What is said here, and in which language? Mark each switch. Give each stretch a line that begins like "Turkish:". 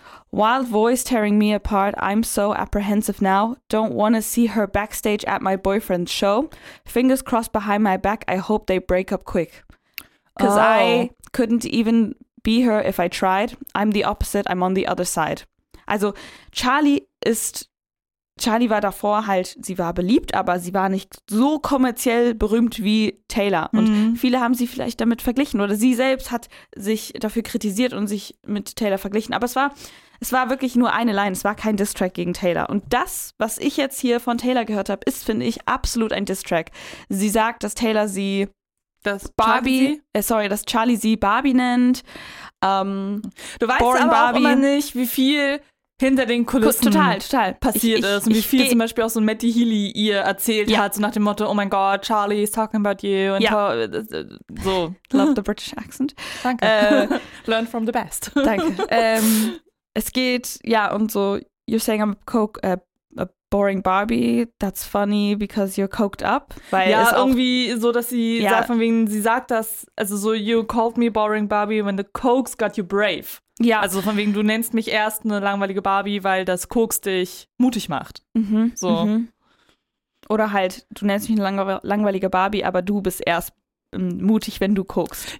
English: Wild voice tearing me apart, I'm so apprehensive now. Don't wanna see her backstage at my boyfriend's show. Fingers crossed behind my back, I hope they break up quick. Cause I couldn't even be her if I tried. I'm the opposite, I'm on the other side.
German: Also, Charlie war davor halt, sie war beliebt, aber sie war nicht so kommerziell berühmt wie Taylor. Mhm. Und viele haben sie vielleicht damit verglichen. Oder sie selbst hat sich dafür kritisiert und sich mit Taylor verglichen. Aber es war wirklich nur eine Line. Es war kein Diss-Track gegen Taylor. Und das, was ich jetzt hier von Taylor gehört habe, ist, finde ich, absolut ein Diss-Track. Sie sagt, dass Taylor sie dass Charlie sie Barbie nennt. Du weißt aber Barbie. Auch immer nicht, wie viel hinter den Kulissen total. passiert ist. Und wie viel zum Beispiel auch so Matty Healy ihr erzählt hat, so nach dem Motto, oh mein Gott,
English: Charlie is talking about you.
German: Und so.
English: Love the British accent.
German: Danke.
English: Learn from the best.
German: Danke. Es geht, und so,
English: you're saying I'm a boring Barbie, that's funny because you're coked up.
German: Weil ja, irgendwie so, dass sie sagt, von wegen, sie sagt das, also so,
English: you called me boring Barbie when the cokes got you brave.
German: Ja. Also von wegen, du nennst mich erst eine langweilige Barbie, weil das Koks dich mutig macht. Mhm. So. Mhm. Oder halt, du nennst mich eine langweilige Barbie, aber du bist erst mutig, wenn du kokst.